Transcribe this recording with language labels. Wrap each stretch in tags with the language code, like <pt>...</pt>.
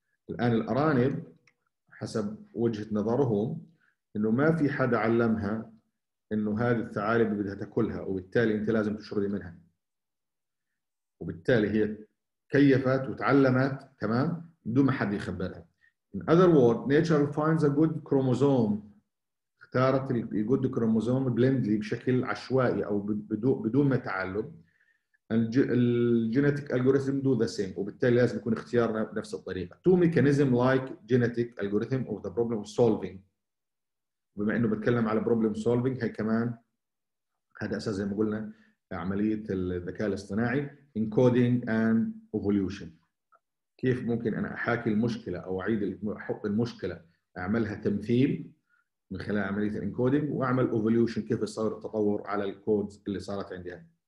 <ar>الآن الأرانب حسب وجهة نظرهم إنه ما في حد علمها إنه هذه الثعالب بدها تأكلها وبالتالي أنت لازم تشربي منها, وبالتالي هي كيفت وتعلمت, تمام؟ بدون ما حد يخبرها.</ar> <en>In other words, nature finds a good chromosome,</en> <ar>اختارت الـ</ar> <en>good chromosome blindly</en> <ar>بشكل عشوائي أو بدون ما تعلم. الجينيتك</ar> <en>algorithm do the same,</en> <ar>وبالتالي لازم يكون اختيارنا بنفس الطريقة.</ar> <en>Two mechanisms like genetic algorithm of the problem of solving.</en> <ar>بما أنه بتكلم على problem solving, هي كمان هذا أساس زي ما قلنا عملية الذكاء الاصطناعي</ar> <en>encoding and evolution.</en> <ar>كيف ممكن أنا أحاكي المشكلة أو أعيد أحط المشكلة أعملها تمثيل من خلال عملية الإنكودينج وأعمل إيفوليوشن كيف صار التطور على الكودز اللي صارت عندها.</ar>